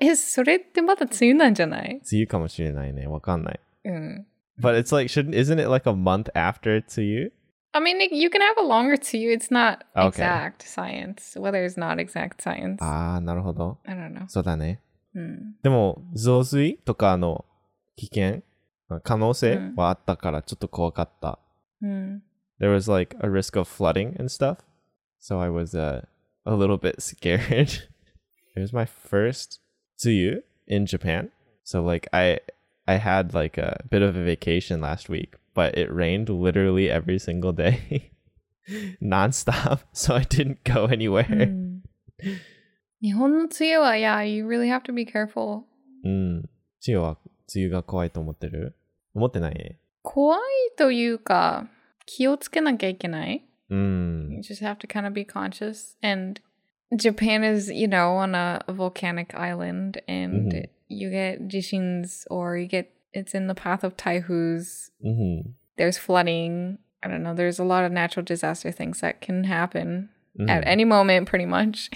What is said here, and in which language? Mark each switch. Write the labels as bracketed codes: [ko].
[ja] それってまだ梅雨なんじゃない? 梅雨かもしれないね。わかんない。 [en] But it's like, isn't it like a month after 梅雨? I mean, you can have a longer tsuyu. It's not exact science. Weather is not exact science. [ja] Ah, なるほど. [en] I don't know. [ja] そうだね。でも、増水とかの危険、可能性はあったからちょっと怖かった。 [en] There was like a risk of flooding and stuff. So I was a little bit scared. It was my first tsuyu in Japan. So like I had like a bit of a vacation last week. But it rained literally every single day, nonstop. So I didn't go anywhere. [ja] 日本の梅雨は、 [en] yeah, you really have to be careful. [ja] 梅雨は、梅雨が怖いと思ってる? 思ってない? 怖いというか、気をつけなきゃいけない。 [en] You just have to kind of be conscious. And Japan is, you know, on a volcanic island. And you get 地震 or you get... It's in the path of taifus. There's flooding. I don't know. There's a lot of natural disaster things that can happen at any moment, pretty much.